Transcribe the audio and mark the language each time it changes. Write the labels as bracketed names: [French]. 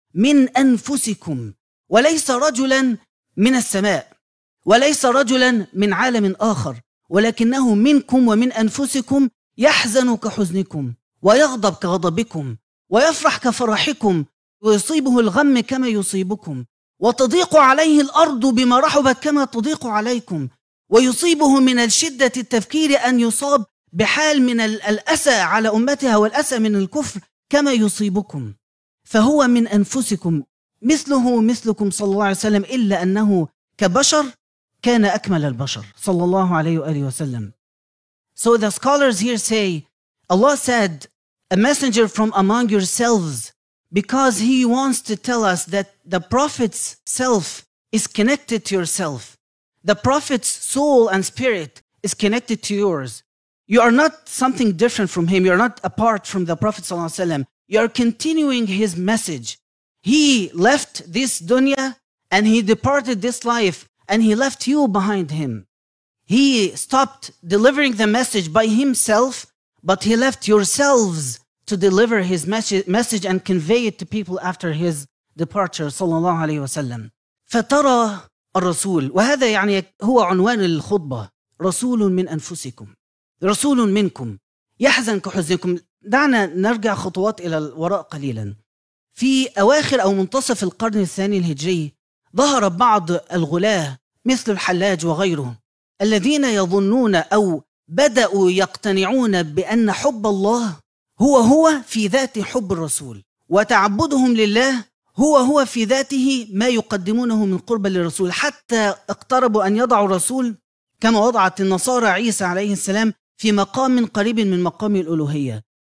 [Arabic] من أنفسكم، وليس رجلا من السماء، وليس رجلا من عالم آخر، ولكنه منكم ومن أنفسكم، يحزن كحزنكم ويغضب كغضبكم ويفرح كفرحكم ويصيبه الغم كما يصيبكم، وتضيق عليه الأرض بما رحبت كما تضيق عليكم، ويصيبه من الشدة التفكير أن يصاب بحال من الأسى على أمتها والأسى من الكفر كما يصيبكم. فهو من أنفسكم، مثله مثلكم صلى الله عليه وسلم، إلا أنه كبشر كان أكمل البشر صلى الله عليه وآله وسلم. [English] So the scholars here say, Allah said, a messenger from among yourselves, because he wants to tell us that the prophet's self is connected to yourself. The prophet's soul and spirit is connected to yours. You are not something different from him. You are not apart from the prophet sallallahu alaihi wasallam. You are continuing his message. He left this dunya and he departed this life and he left you behind him. He stopped delivering the message by himself, but he left yourselves to deliver his message and convey it to people after his departure صلى الله عليه وسلم. [Arabic] فترى الرسول، وهذا يعني هو عنوان الخطبة، رسول من أنفسكم، رسول منكم، يحزن كحزنكم. دعنا نرجع خطوات إلى الوراء قليلا. في أواخر أو منتصف القرن الثاني الهجري ظهر بعض الغلاة مثل الحلاج وغيره الذين يظنون أو بدأوا يقتنعون بأن حب الله هو هو في ذات حب الرسول، وتعبدهم لله هو هو في ذاته ما يقدمونه من قرب للرسول، حتى اقتربوا أن يضعوا الرسول كما وضعت النصارى عيسى عليه السلام في مقام قريب من مقام الألوهية.